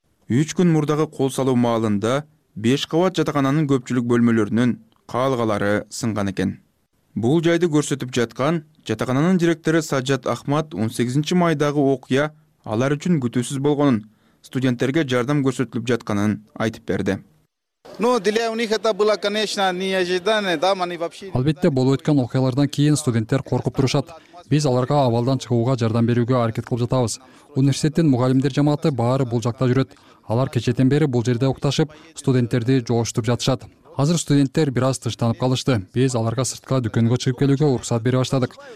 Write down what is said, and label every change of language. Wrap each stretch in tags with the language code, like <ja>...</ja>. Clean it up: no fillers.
<ky>3 күн мурдагы кол салуу маалында 5 кабат жатакананын көпчүлүк бөлмөлөрүнүн каалгалары сынган экен. Бул жайды көрсөтүп жаткан жатакананын директору Саджат Ахмат 18 майдагы окуя алар үчүн күтүүсүз болгонун, студенттерге жардам көрсөтүлүп жатканын айтып берди.</ky> <ru>Ну, для у них это было, конечно, неожиданно, да, они вообще.</ru> <ky>Албетте, болуп өткөн окуялардан кийин студенттер коркуп турушат. Биз аларга абалдан чыгууга жардам берүүгө аракет кылып жатабыз. Университеттин мугалимдер жамааты баары бул жакта жүрөт. Алар кечеден бери бул жерде окуташып, студенттерди жоошутуп жатышат. Азыр студенттер бир аз тынчтанып калышты. Биз аларга сыртка дүкөнгө чыгып келүүгө уруксат бере баштадык.</ky>